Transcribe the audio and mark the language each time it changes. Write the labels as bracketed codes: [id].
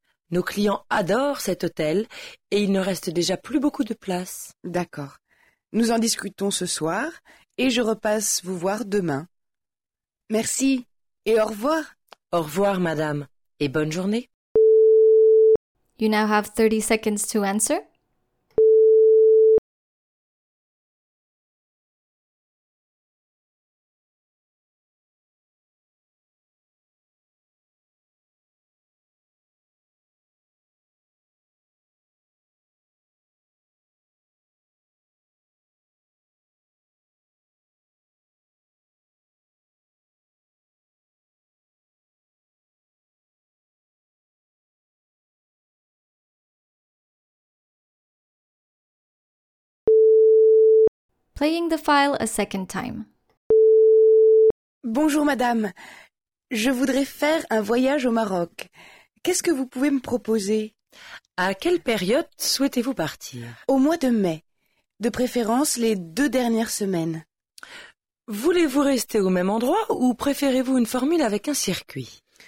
[fr] Nos clients adorent cet hôtel et il ne reste déjà plus beaucoup de place. D'accord. Nous en discutons ce soir et je repasse vous voir demain. Merci et au revoir. Au revoir, madame, et bonne journée. [en] You now have 30 seconds to answer. Playing the file a second time. [fr] Bonjour madame, je voudrais faire un voyage au Maroc. Qu'est-ce que vous pouvez me proposer? À quelle période souhaitez-vous partir? Au mois de mai, de préférence les 2 dernières semaines. Voulez-vous rester au même endroit ou préférez-vous une formule avec un circuit?